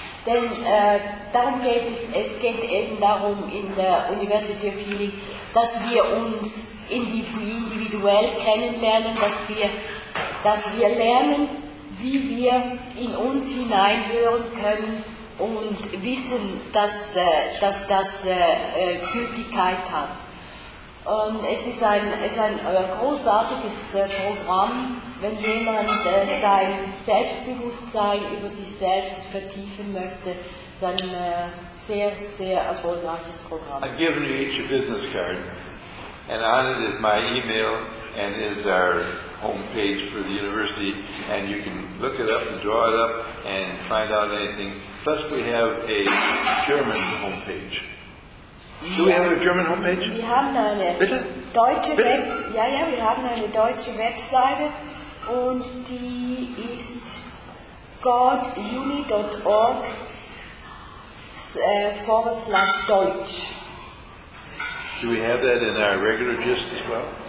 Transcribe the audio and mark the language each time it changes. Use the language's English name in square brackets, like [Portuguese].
[German] Denn darum geht es, es geht eben darum in der University of Healing, dass wir uns individuell kennenlernen, dass wir lernen, wie wir in uns hineinhören können, und wissen, dass das Gültigkeit hat. Es ist ein großartiges Programm, wenn jemand sein Selbstbewusstsein über sich selbst vertiefen möchte. Es ist ein sehr, sehr erfolgreiches Programm. [English] I've given you each a business card, and on it is my email and is our homepage for the university, and you can look it up and draw it up and find out anything. Plus, we have a German homepage. Do we have a German homepage? [German] Wir haben eine deutsche wir haben eine deutsche Webseite, und die ist goduni.org/deutsch. [English] Do we have that in our regular gist as well?